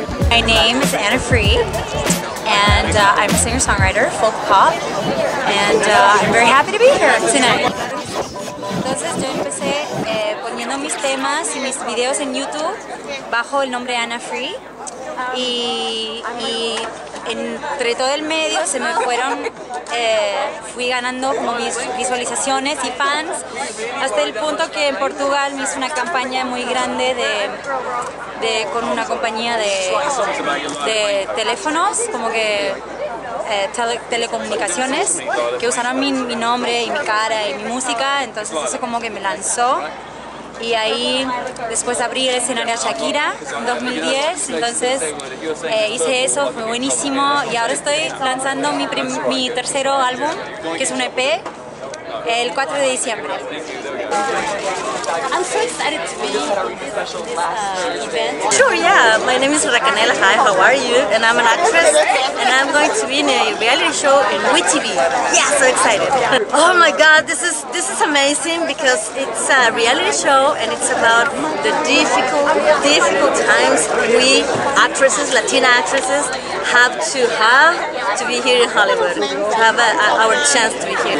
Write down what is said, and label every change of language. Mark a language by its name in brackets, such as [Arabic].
[English] My name is Anna Free, and I'm a singer-songwriter, folk pop, and I'm very happy to be here tonight. [Spanish] Entonces, yo empecé poniendo mis temas y mis videos en YouTube bajo el nombre Anna Free, y entre todo el medio se me fueron, fui ganando como mis visualizaciones y fans, hasta el punto que en Portugal me hizo una campaña muy grande de con una compañía de teléfonos, como que telecomunicaciones, que usaron mi nombre y mi cara y mi música, entonces eso como que me lanzó. Y ahí después abrí el escenario a Shakira en 2010, entonces hice eso, fue buenísimo. Y ahora estoy lanzando mi tercero álbum, que es un EP, el 4 de diciembre. [English] I'm so excited to be at this event. Sure, yeah. My name is Racanela. Hi, how are you? And I'm an actress, and I'm going to be in a reality show in WeTV. Yeah, so excited. Oh my God, this is amazing because it's a reality show and it's about the difficult times we actresses, Latina actresses, have to be here in Hollywood, to have our chance to be here.